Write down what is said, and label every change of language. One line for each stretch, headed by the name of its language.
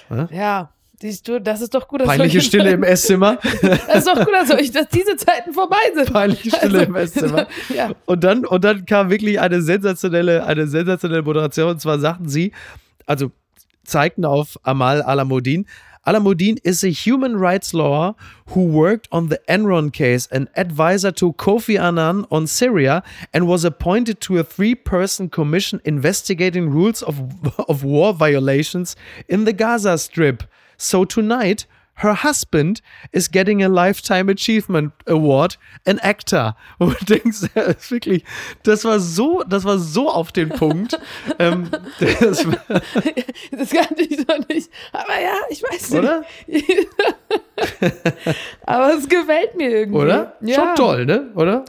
German: Ja. Siehst du, das ist doch gut, dass peinliche euch Stille im Esszimmer. Das ist doch gut, dass, euch, dass diese Zeiten vorbei sind. Peinliche Stille also, im Esszimmer. Ja. Und dann kam wirklich eine sensationelle Moderation. Und zwar sagten sie, also zeigten auf Amal Alamuddin.
English: Alamuddin is a human rights lawyer who worked on the Enron case, an advisor to Kofi Annan on Syria, and was appointed to a 3-person commission investigating rules of war violations in the Gaza Strip. So tonight, her husband is getting a Lifetime Achievement Award, an actor.
German: Und du denkst, wirklich, das war so auf den Punkt. das kann ich doch nicht. Aber ja, ich weiß nicht. Oder? Aber es gefällt mir irgendwie. Oder? Ja. Schon toll, ne? Oder?